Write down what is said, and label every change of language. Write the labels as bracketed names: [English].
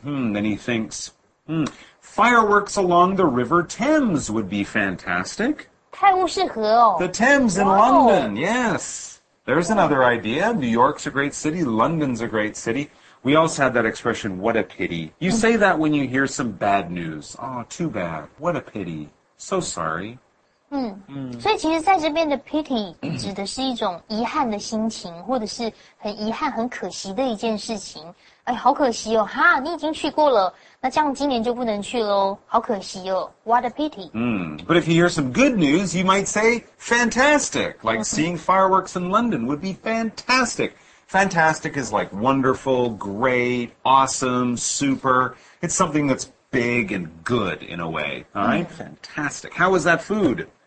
[English] Then he thinks, fireworks along the River Thames would be fantastic. [Chinese] 太不适合哦。 [English] The Thames in、 wow. London, yes. There's another idea. New York's a great city. London's a great city. We also had that expression, what a pity. You say that when you hear some bad news. Oh, too bad. What a pity. So sorry. [Chinese] 所以其实在这边的 pity 指的是一种遗憾的心情，或者是很遗憾、很可惜的一件事情。哎，好可惜哦，哈，你已经去过了，那这样今年就不能去咯，好可惜哦。 [English] What a pity. But if you hear some good news, you might say fantastic. Like seeing fireworks in London would be fantastic. Fantastic is like wonderful, great, awesome, super. It's something that's big and good in a way. All right? Fantastic. How was that food?